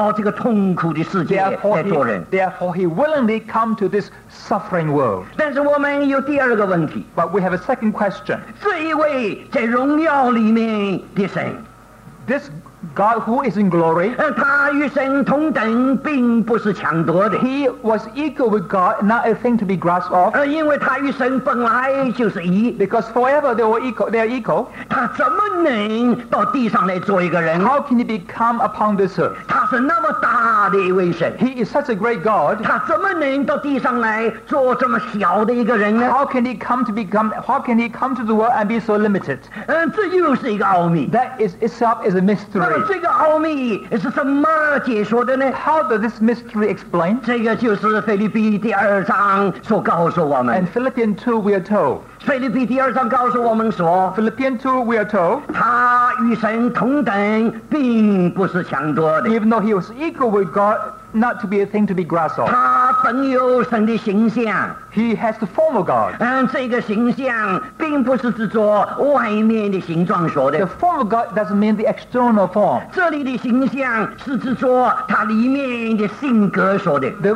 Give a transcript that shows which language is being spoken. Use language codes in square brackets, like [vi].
[zh] 所以他愿意来到这个痛苦的世界来做人。 [en] Therefore he willingly come to this suffering world. [zh] 但是我们有第二个问题。 [en] But we have a second question. [zh] 这一位在荣耀里面的神。 [en] This God who is in glory, [zh] 他与神同等并不是强夺的。 [en] He was equal with God, not a thing to be grasped off. [zh] 因为他与神本来就是一。 [en] Because forever they were equal, they are equal. [zh] 他怎么能到地上来做一个人? [en] How can he become upon this earth? [zh] 他是那么大的一位神。 [en] He is such a great God. [zh] 他怎么能到地上来做这么小的一个人呢? [en] How can he come to the world and be so limited? [zh] 这又是一个奥秘。 [en] That is itself is a mystery. [zh] 这个奥秘是怎么解说的呢? [en] How does this mystery explain? [zh] 这个就是腓立比第二章所告诉我们。 [en] And Philippians 2 we are told. [zh] 腓立比第二章告诉我们说, [en] Philippians 2 we are told. [zh] 他与神同等并不是强多的。 [en] Even though he was equal with God, not to be a thing to be grasped off. [zh] 他本有神的形象。 [en] He has the form of God. [zh] 这个形象并不是指着外面的形状说的。 [en] The form of God doesn't mean the external form. [zh] 这里的形象是指着他里面的性格说的。